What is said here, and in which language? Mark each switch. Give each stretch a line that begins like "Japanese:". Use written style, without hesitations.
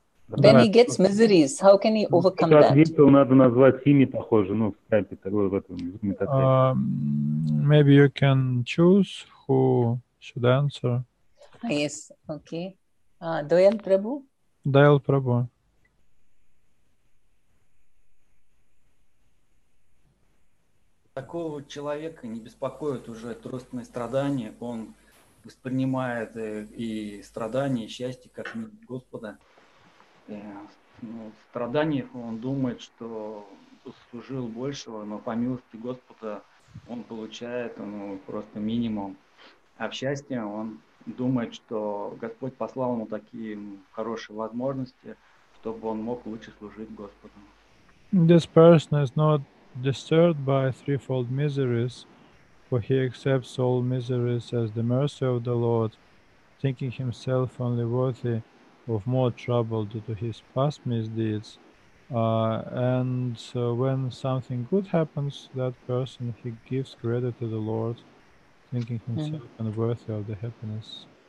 English: When he gets miseries, how can he overcome that?
Russian: Ответил, надо назвать имя похоже, ну, в скайпе, такое в этом.
English: Maybe you can choose who should answer. Yes, okay. Dayal Prabhu? Dayal Prabhu.
Russian: Такого человека не беспокоит уже тройственные страдания. Он воспринимает и страдания, и счастье как милость Господа. И, ну, в страданиях он думает, что заслужил большего, но по милости Господа он получает, ну, просто минимум. А в счастье он думает, что Господь послал ему такие хорошие возможности, чтобы он мог лучше служить Господу.
English: This person is not disturbed by threefold miseries, for he accepts all miseries as the mercy of the Lord, thinking himself only worthy of more trouble due to his past misdeeds. And so when something good happens, that person, he gives credit to the Lord, thinking himself unworthy of the happiness.